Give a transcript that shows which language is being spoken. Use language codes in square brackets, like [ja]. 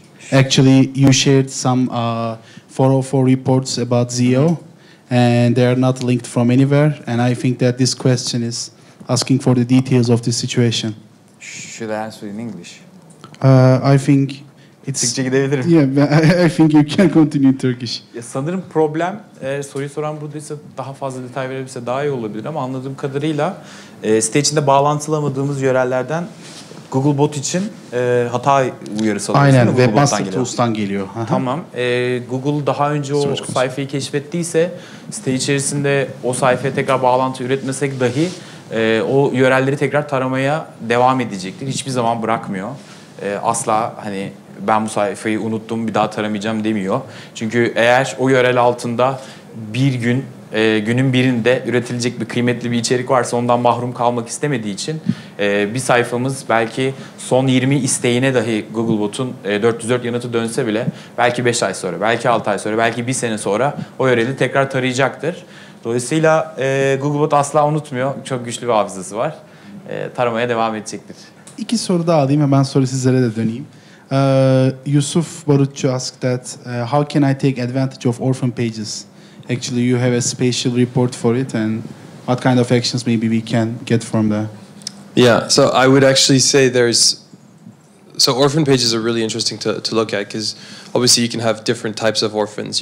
[en] Actually, you shared some 404 reports about Zeo, and they are not linked from anywhere. And I think that this question is asking for the details of the situation. Should I answer in English? I think it's... [tr] Türkçe gidebilirim. [en] Yeah, I think you can continue in Turkish. [tr] Ya sanırım problem, soruyu soran buradaysa daha fazla detay verebilirse daha iyi olabilir ama anladığım kadarıyla site içinde bağlantılamadığımız yörelerden Googlebot için hata uyarısı alıyoruz. Aynen, Webmaster Tools'tan geliyor. Tamam. Google daha önce o sayfayı keşfettiyse, site içerisinde o sayfaya tekrar bağlantı üretmesek dahi o URL'leri tekrar taramaya devam edecektir. Hiçbir zaman bırakmıyor. Asla hani ben bu sayfayı unuttum bir daha taramayacağım demiyor. Çünkü eğer o URL altında bir gün, günün birinde üretilecek bir kıymetli bir içerik varsa ondan mahrum kalmak istemediği için bir sayfamız belki son 20 isteğine dahi Googlebot'un 404 yanıtı dönse bile belki 5 ay sonra, belki 6 ay sonra, belki 1 sene sonra o URL'i tekrar tarayacaktır. Dolayısıyla Googlebot asla unutmuyor. Çok güçlü bir hafızası var. Taramaya devam edecektir. İki soru daha alayım ve ben soru sizlere de döneyim. [en] Yusuf Barutçu asked that, how can I take advantage of orphan pages? Actually, you have a special report for it and what kind of actions maybe we can get from there? Yeah, so I would actually say so orphan pages are really interesting to look at because obviously you can have different types of orphans.